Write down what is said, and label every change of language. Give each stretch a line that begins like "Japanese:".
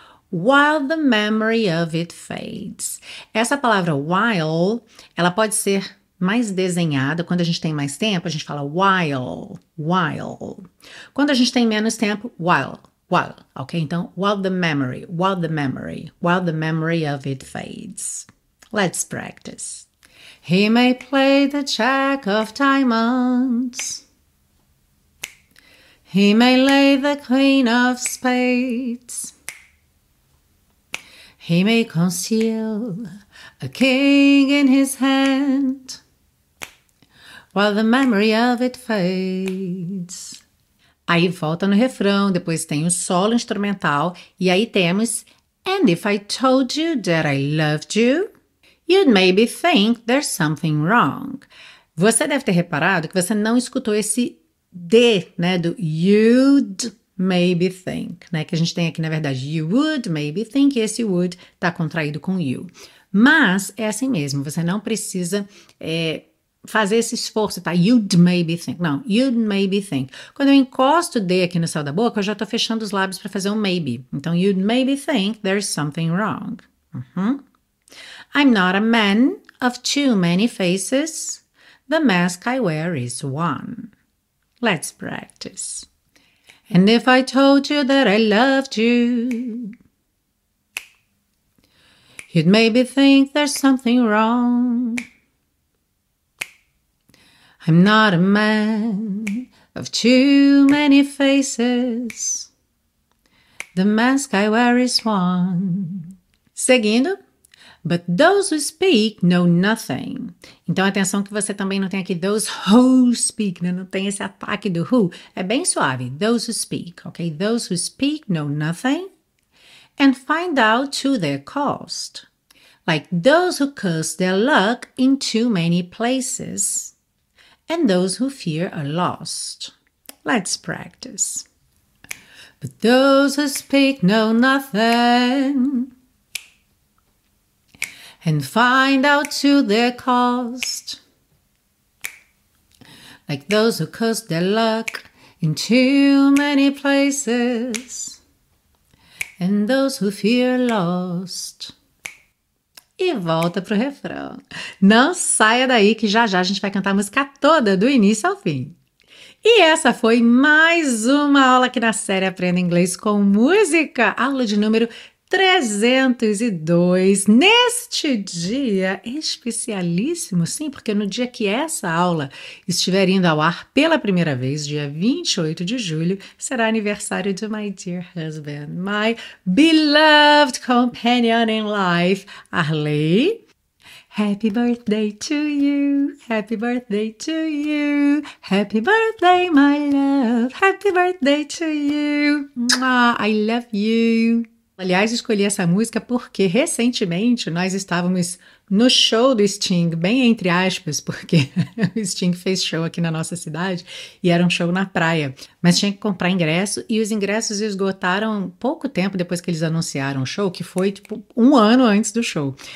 English: While the memory of it fades.
Portuguese: Essa palavra while, ela pode ser mais desenhada quando a gente tem mais tempo, a gente fala while, while. Quando a gente tem menos tempo, while, ok?
English: Então, while the memory, while the memory, while the memory of it fades. Let's practice. He may play the Jack of Diamonds. He may lay the Queen of Spades. He may conceal a king in his hand while the memory of it fades.
Portuguese: Aí volta no refrão, depois tem o solo instrumental, e aí temos:
English: And if I told you that I loved you, you'd maybe think there's something wrong.
Portuguese: Você deve ter reparado que você não escutou esse D, né, do you'd. Maybe think, né? Que a gente tem aqui, na verdade,
English: you would, maybe think,
Portuguese: esse would tá contraído com you. Mas é assim mesmo, você não precisa fazer esse esforço, tá?
English: You'd maybe think, não, you'd maybe think.
Portuguese: Quando eu encosto o D aqui no céu da boca, eu já tô fechando os lábios para fazer um maybe.
English: Então, you'd maybe think there's something wrong. I'm not a man of too many faces. The mask I wear is one. Let's practice. And if I told you that I loved you, you'd maybe think there's something wrong. I'm not a man of too many faces. The mask I wear is one. Seguindo, But those who speak know nothing.
Portuguese: Então, atenção que você também não tem aqui
English: those who speak,
Portuguese: né? Não tem esse ataque do who. É bem suave.
English: Those who speak,
Portuguese: ok?
English: Those who speak know nothing and find out to their cost. Like those who curse their luck in too many places and those who fear a loss. Let's practice. But those who speak know nothing and find out to their cost. Like those who curse their luck in too many places and those who fear lost.
Portuguese: E volta pro refrão. Não saia daí que já já a gente vai cantar a música toda do início ao fim. E essa foi mais uma aula aqui na série Aprenda Inglês com Música, aula de número 302, neste dia especialíssimo, sim, porque no dia que essa aula estiver indo ao ar pela primeira vez, dia 28 de julho, será aniversário de
English: my dear husband, my beloved companion in life,
Portuguese: Arley.
English: Happy birthday to you, happy birthday to you, happy birthday, my love, happy birthday to you, I love you.
Portuguese: Aliás, escolhi essa música porque recentemente nós estávamos no show do Sting, bem entre aspas, porque o Sting fez show aqui na nossa cidade e era um show na praia, mas tinha que comprar ingresso e os ingressos esgotaram pouco tempo depois que eles anunciaram o show, que foi tipo um ano antes do show.